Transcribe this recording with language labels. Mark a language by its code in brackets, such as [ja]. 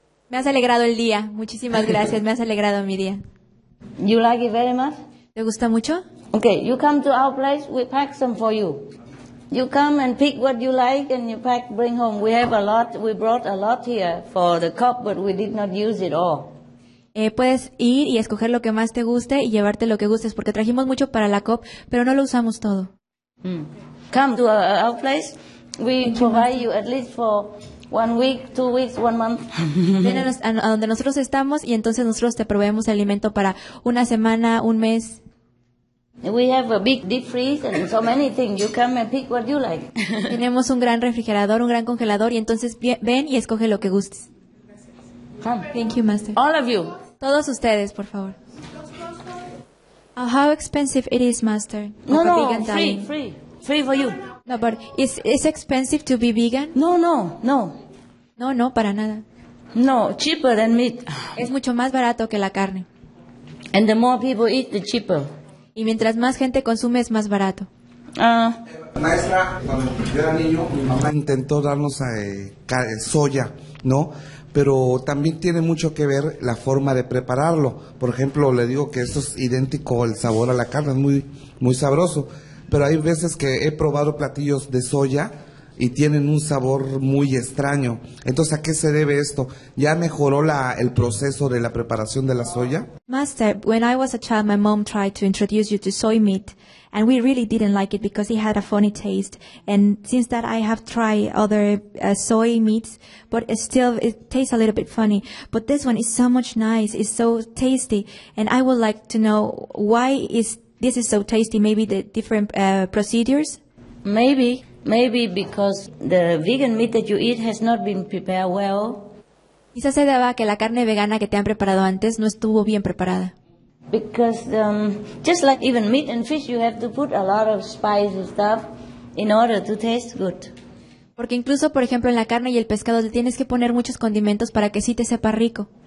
[es] Me has alegrado el día, muchísimas gracias, me has alegrado mi día. [en] You like it very much? [es] ¿Te gusta mucho? [en] Okay, you come to our place, we pack some for you. You come and pick what you like and you pack, bring home. We have a lot, we brought a lot here for the cup, but we did not use it all. [es] Puedes ir y escoger lo que más te guste y llevarte lo que gustes, porque trajimos mucho para la COP, pero no lo usamos todo. [en] Come to our place. We provide you at least for 1 week, 2 weeks, 1 month. [es] Ven a donde nosotros estamos y entonces nosotros te proveemos alimento para una semana, un mes. [en] We have a big deep freeze and so many things. You come and pick what you like. [es] Tenemos un gran refrigerador, un gran congelador y entonces ven y escoge lo que gustes. [en] Thank you, Master. All of you. [es] Todos ustedes, por favor. [en] How expensive it is, Master? No, like no, vegan free, dying. Free for you. No, but is expensive to be vegan? No. [es] No, para nada. [en] No, cheaper than meat. [es] Es mucho más barato que la carne. [en] And the more people eat, the cheaper. [es] Y mientras más gente consume, es más barato. Maestra, cuando yo era niño, mi mamá intentó darnos soya, ¿no? pero también tiene mucho que ver la forma de prepararlo. Por ejemplo, le digo que esto es idéntico el sabor a la carne, es muy, muy sabroso. Pero hay veces que he probado platillos de soya y tienen un sabor muy extraño. Entonces, ¿a qué se debe esto? ¿Ya mejoró el proceso de la preparación de la soya? [en] Master, when I was a child, my mom tried to introduce you to soy meat, and we really didn't like it because it had a funny taste. And since that, I have tried other soy meats, but still, it tastes a little bit funny. But this one is so much nice. It's so tasty. And I would like to know why is this is so tasty, maybe the different procedures? Maybe. Maybe because the vegan meat that you eat has not been prepared well. [es] Quizás se deba que la carne vegana que te han preparado antes no estuvo bien preparada. [en] Because just like even meat and fish, you have to put a lot of spicy stuff in order to taste good. [es] Porque incluso, por ejemplo, en la carne y el pescado le tienes que poner muchos condimentos para que sí te sepa rico.